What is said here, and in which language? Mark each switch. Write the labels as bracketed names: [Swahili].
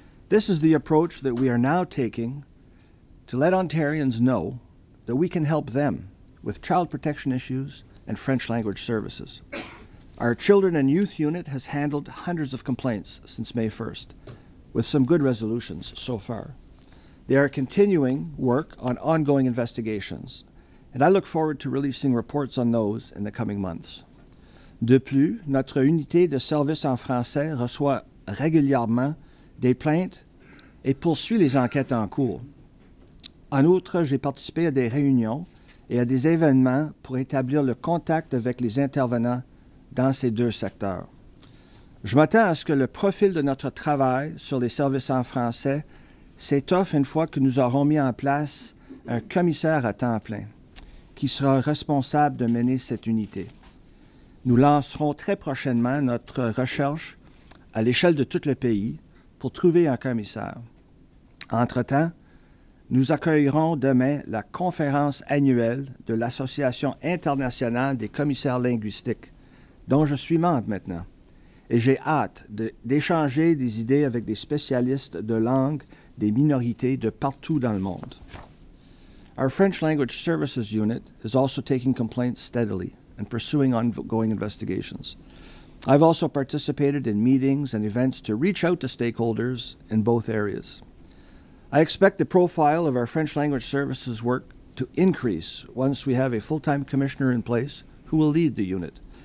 [English] This is the approach that we are now taking to let Ontarians know that we can help them with child protection issues and French language services. Our Children and Youth Unit has handled hundreds of complaints since May 1st, with some good resolutions so far. They are continuing work on ongoing investigations, and I look forward to releasing reports on those in the coming months. [French] De plus, notre unité de service en français reçoit régulièrement des plaintes et poursuit les enquêtes en cours. En outre, j'ai participé à des réunions et à des événements pour établir le contact avec les intervenants dans ces deux secteurs. Je m'attends à ce que le profil de notre travail sur les services en français s'étoffe une fois que nous aurons mis en place un commissaire à temps plein qui sera responsable de mener cette unité. Nous lancerons très prochainement notre recherche à l'échelle de tout le pays pour trouver un commissaire. Entre-temps, nous accueillerons demain la conférence annuelle de l'Association internationale des commissaires linguistiques, dont je suis membre maintenant. Et j'ai hâte d'échanger des idées avec des spécialistes de langue des minorités de partout dans le monde. [English] Our French Language Services Unit is also taking complaints steadily and pursuing ongoing investigations. I've also participated in meetings and events to reach out to stakeholders in both areas. I expect the profile of our French Language Services work to increase once we have a full-time commissioner in place who will lead the unit.